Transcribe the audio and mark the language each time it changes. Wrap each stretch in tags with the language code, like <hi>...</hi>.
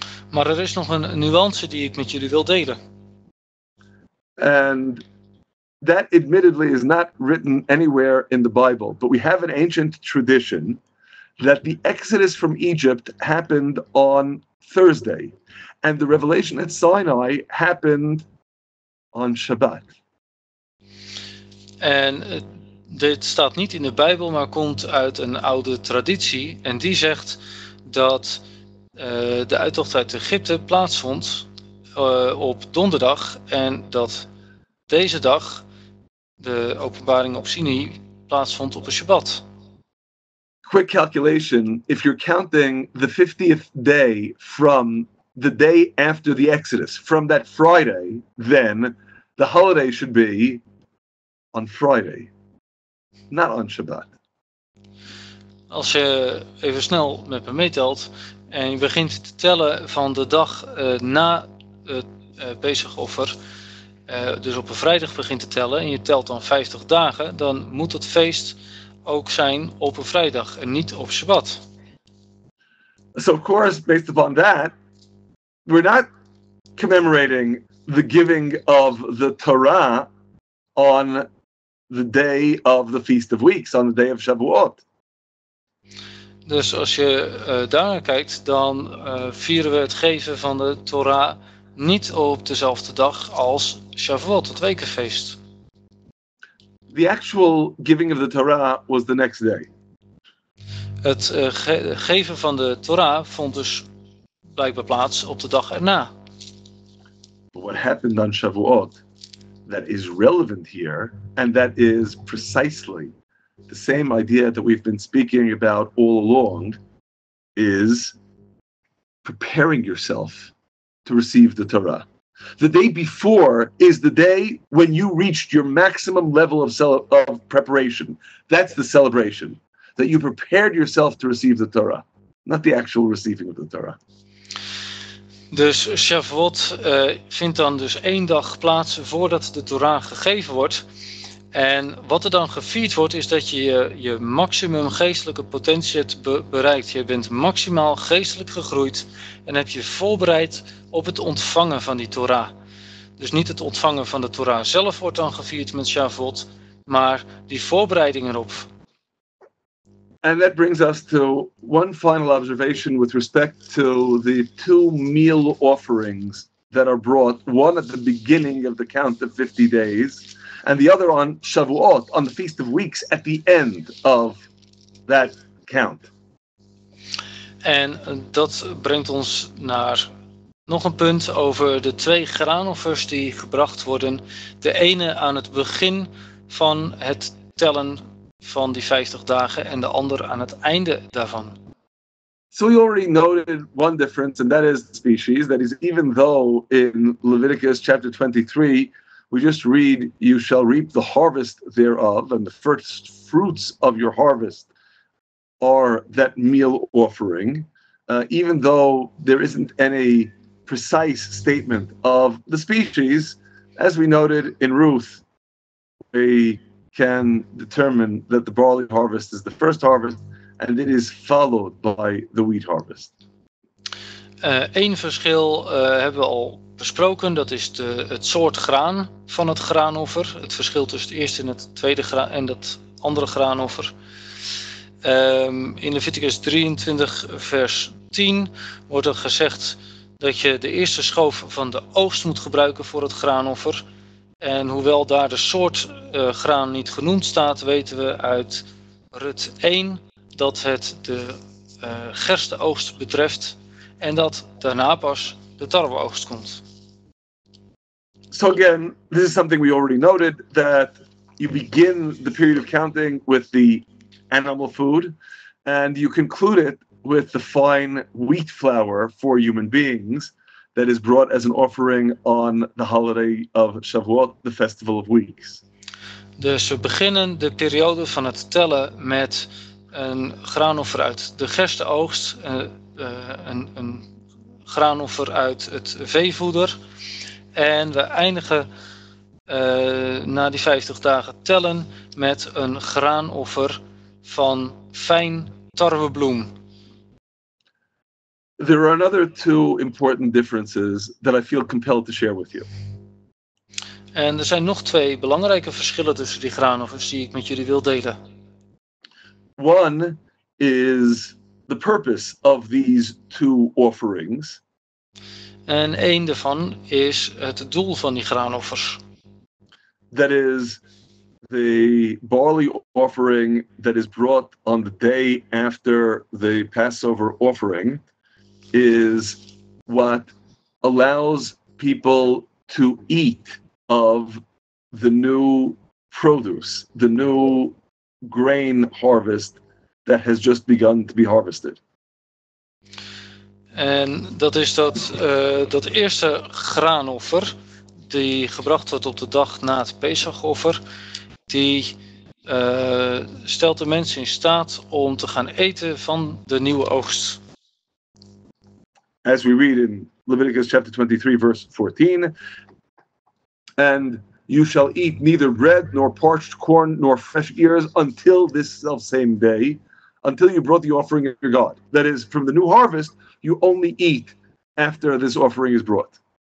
<nl>Maar er is nog een nuance die ik met jullie wil delen.</nl> <en>And that admittedly is not written anywhere in the Bible, but we have an ancient tradition that the Exodus from Egypt happened on Thursday and the revelation at Sinai happened on Shabbat.</en> <nl>En dit staat niet in de Bijbel, maar komt uit een oude traditie en die zegt dat de uittocht uit Egypte plaatsvond op donderdag en dat deze dag de openbaring op Sinai plaatsvond op een Shabbat.</nl> <en>Quick calculation, if you're counting the 50th day from the day after the Exodus, from that Friday, then the holiday should be on Friday, not on Shabbat.</en> <nl>Als je even snel met me meetelt en je begint te tellen van de dag na het Pesachoffer, dus op een vrijdag begint te tellen en je telt dan 50 dagen, dan moet het feest ook zijn op een vrijdag en niet op Shabbat.</nl> <en>So of course, based upon that, we're not commemorating the giving of the Torah on the day of the Feast of Weeks, on the day of Shavuot.</en> <nl>Dus als je daar naar kijkt, dan vieren we het geven van de Torah niet op dezelfde dag als Shavuot, het wekenfeest.</nl> <en>The actual giving of the Torah was the next day.</en> <nl>Het geven van de Torah vond dus blijkbaar plaats op de dag erna.</nl> <en>But what happened on Shavuot that is relevant here, and that is precisely the same idea that we've been speaking about all along, is preparing yourself to receive the Torah. The day before is the day when you reached your maximum level of preparation. That's the celebration, that you prepared yourself to receive the Torah, not the actual receiving of the Torah.</en> <nl>Dus Shavuot vindt dan dus één dag plaats voordat de Torah gegeven wordt. En wat er dan gevierd wordt, is dat je je maximum geestelijke potentie hebt bereikt. Je bent maximaal geestelijk gegroeid en heb je voorbereid op het ontvangen van die Torah. Dus niet het ontvangen van de Torah zelf wordt dan gevierd met Shavuot, maar die voorbereiding erop.</nl> <en>And that brings us to one final observation with respect to the two meal offerings that are brought, one at the beginning of the count of 50 days, and the other on Shavuot, on the Feast of Weeks, at the end of that count.</en> <nl>En dat brengt ons naar nog een punt over de twee graanoffers die gebracht worden. De ene aan het begin van het tellen van die 50 dagen en de ander aan het einde daarvan.</nl> <en>So you already noted one difference, and that is the species. That is, even though in Leviticus chapter 23, we just read, you shall reap the harvest thereof, and the first fruits of your harvest are that meal offering. Even though there isn't any precise statement of the species, as we noted in Ruth, we can determine that the barley harvest is the first harvest, and it is followed by the wheat harvest.</en> <nl>Eén verschil hebben we al besproken, dat is het soort graan van het graanoffer. Het verschil tussen het eerste en het tweede graan en dat andere graanoffer. In Leviticus 23 vers 10 wordt er gezegd dat je de eerste schoof van de oogst moet gebruiken voor het graanoffer. En hoewel daar de soort graan niet genoemd staat, weten we uit Rut 1 dat het de gerstenoogst betreft en dat daarna pas de tarweoogst komt.</nl> <en>So again, this is something we already noted, that you begin the period of counting with the animal food and you conclude it with the fine wheat flour for human beings that is brought as an offering on the holiday of Shavuot, the festival of weeks.</en> <nl>Dus we beginnen de periode van het tellen met een graanoffer uit de gerstenoogst, een graanoffer uit het veevoeder, en we eindigen na die 50 dagen tellen met een graanoffer van fijn tarwebloem.</nl> <en>There are another two important differences that I feel compelled to share with you.</en> <nl>En er zijn nog twee belangrijke verschillen tussen die graanoffers die ik met jullie wil delen.</nl> <en>One is the purpose of these two offerings.</en> <nl>En één daarvan is het doel van die graanoffers.</nl> <en>That is the barley offering that is brought on the day after the Passover offering is what allows people to eat of the new produce, the new grain harvest that has just begun to be harvested.</en> <nl>En dat is dat eerste graanoffer die gebracht wordt op de dag na het Pesachoffer, die stelt de mensen in staat om te gaan eten van de nieuwe oogst.</nl> <en>As we read in Leviticus chapter 23, verse 14, and you shall eat neither bread nor parched corn nor fresh ears until this selfsame day, until you brought the offering of your God. That is, from the new harvest, you only eat after this offering is brought.</en>